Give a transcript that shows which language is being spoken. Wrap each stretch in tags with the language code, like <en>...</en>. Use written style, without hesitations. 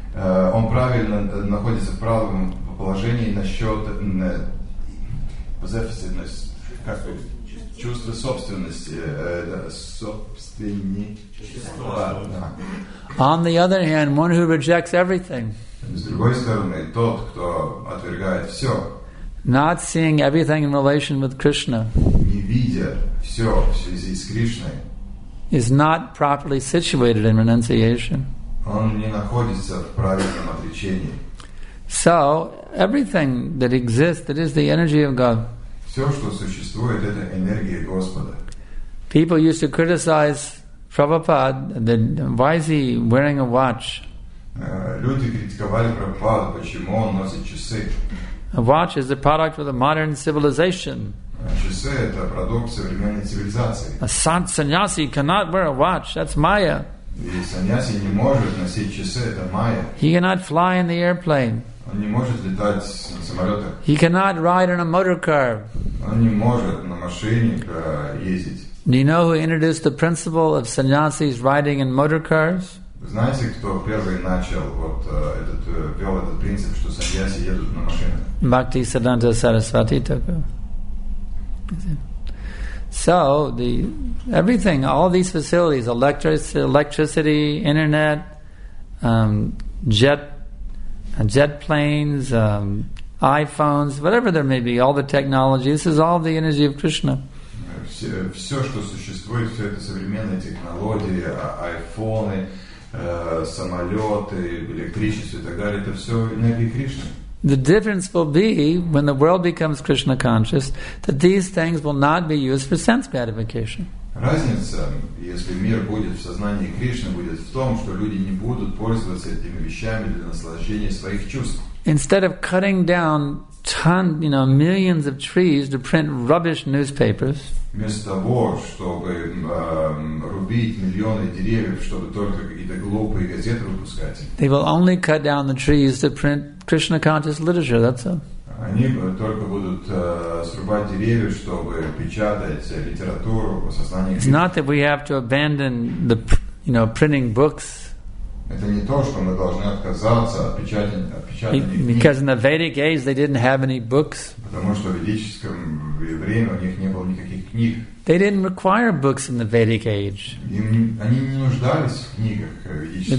<ru>Он правильно находится в правом положении насчет possessiveness, как чувство собственности, собственничества.</ru> <en>On the other hand, one who rejects everything.</en> <ru>С другой стороны, тот, кто отвергает все.</ru> <en>Not seeing everything in relation with Krishna.</en> <ru>Не видя все в связи с Кришной.</ru> <en>Is not properly situated in renunciation.</en> <ru>Он не находится в правильном отречении.</ru> <en>So everything that exists, that is the energy of God.</en> <ru>Все, что существует, это энергия Господа.</ru> <en>People used to criticize Prabhupada, that why is he wearing a watch?</en> <ru>Люди критиковали Прабхупаду, почему он носит часы.</ru> <en>A watch is the product of the modern civilization.</en> <ru>Часы — это продукт современной цивилизации.</ru> <en>A sannyasi cannot wear a watch. That's Maya.</en> <ru>И саньяси не может носить часы. Это Maya.</ru> <en>He cannot fly in the airplane.</en> <ru>Он не может летать на самолетах.</ru> <en>He cannot ride in a motor car.</en> <ru>Он не может на машине ездить.</ru> <en>Do you know who introduced the principle of sannyasis riding in motor cars?</en> <ru>Знаете, кто первый начал вот этот вел этот принцип, что саньяси едут на машинах? Бхакти Сиддханта Сарасвати Тхакур.</ru> <en>So the everything, all these facilities, electricity, internet, jet planes, iPhones, whatever there may be, all the technology. This is all the energy of Krishna.</en> <ru>Все, что существует, все это современные технологии, айфоны, самолеты, электричество и так далее, это все энергия Кришны.</ru> <en>The difference will be when the world becomes Krishna conscious that these things will not be used for sense gratification.</en> <ru>Разница, если мир будет в сознании Кришны, будет в том, что люди не будут пользоваться этими вещами для наслаждения своих чувств.</ru> <en>Instead of cutting down millions of trees to print rubbish newspapers.</en> <ru>Вместо того, чтобы рубить миллионы деревьев, чтобы только какие-то глупые газеты выпускать.</ru> <en>They will only cut down the trees to print Krishna conscious literature, that's all.</en> <ru>Они только будут срубать деревья, чтобы печатать литературу по сознанию.</ru> <en>It's not that we have to abandon the printing books.</en> <ru>Это не то, что мы должны отказаться от печатания.</ru> <en>Because in the Vedic age they didn't have any books.</en> <ru>Потому что в ведическом время у них не было никаких книг.</ru> <en>They didn't require books in the Vedic age.</en> <ru>Они не нуждались в книгах ведических.</ru>